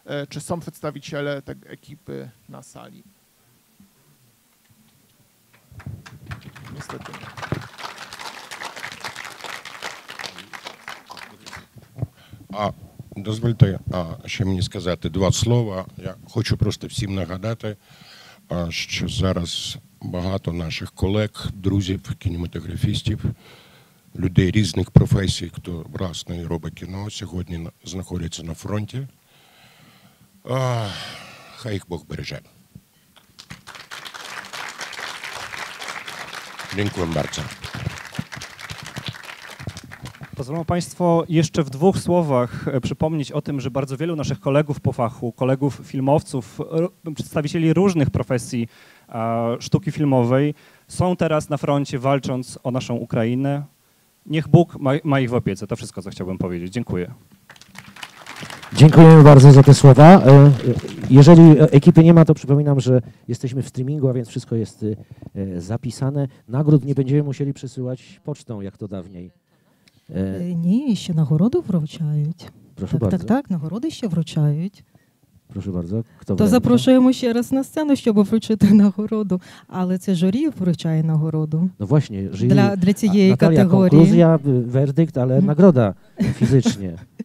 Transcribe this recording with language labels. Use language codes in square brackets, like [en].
[pl] Czy są przedstawiciele tej ekipy na sali? Niestety nie. A dozwólcie jeszcze mi [uk] сказати [pl] dwa słowa. Ja chcę prosto wszystkim [uk] нагадати, що зараз багато наших колег, друзів, кінематографістів, людей різних професій, хто власне і робить кіно, сьогодні знаходяться на фронті. Хай їх Бог береже. Дякую вам дуже. [pl] Pozwolą Państwo jeszcze w dwóch słowach przypomnieć o tym, że bardzo wielu naszych kolegów po fachu, kolegów filmowców, przedstawicieli różnych profesji sztuki filmowej są teraz na froncie walcząc o naszą Ukrainę. Niech Bóg ma ich w opiece. To wszystko, co chciałbym powiedzieć. Dziękuję. Dziękujemy bardzo za te słowa. Jeżeli ekipy nie ma, to przypominam, że jesteśmy w streamingu, a więc wszystko jest zapisane. Nagród nie będziemy musieli przesyłać pocztą, jak to dawniej. [uk] Ні, ще нагороду вручають. Прошу так, так, так, нагороди ще вручають. Прошу бардзо, хто то запрошуємо ще раз на сцену, щоб вручити нагороду. Але це журі вручає нагороду. Ну, власне, журі. Для цієї категорії. Наталія, конклюзія, вердикт, але нагорода фізичне.